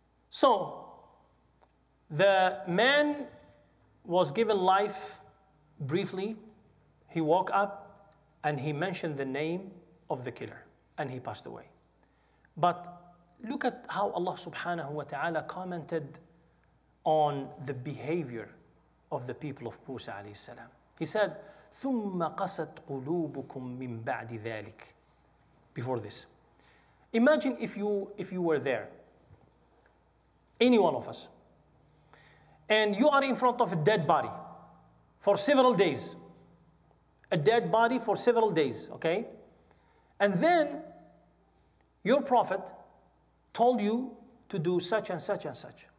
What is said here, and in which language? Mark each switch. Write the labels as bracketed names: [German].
[English] So the man was given life briefly. He woke up and he mentioned the name of the killer and he passed away. But look at how Allah subhanahu wa ta'ala commented on the behavior of the people of Musa alayhi salam. He said, [Arabic] ثُمَّ قَسَتْ قُلُوبُكُمْ مِنْ بَعْدِ ذَلِكَ. [English] Before this. Imagine if you were there, any one of us, and you are in front of a dead body for several days. A dead body for several days, okay? And then your prophet told you to do such and such and such.